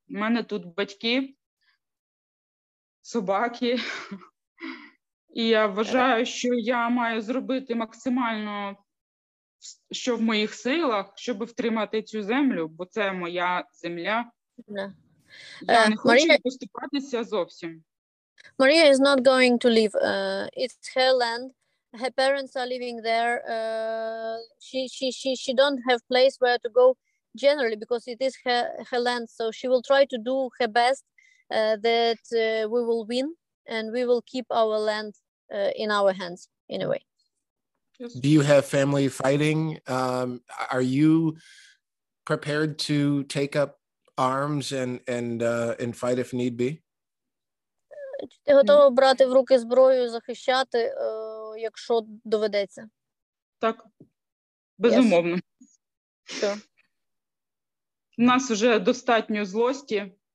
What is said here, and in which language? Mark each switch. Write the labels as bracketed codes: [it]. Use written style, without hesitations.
[uk] У мене тут батьки, собаки. І я вважаю, що я маю зробити максимально... що в моїх силах, щоб втримати цю землю, бо це моя земля. [en] Yeah. [uk] Я не хочу поступатися зовсім. [en] Maria is not going to leave. It's her land. Her parents are living there. She don't have place where to go generally because it is her land. So she will try to do her best that we will win and we will keep our land in our hands anyway. Do you have family fighting? Are you prepared to take up arms and fight if need be? [uk] Чи ти готова брати в руки зброю і захищати, якщо доведеться? Так. Безумовно. Так. У нас вже достатньо злості.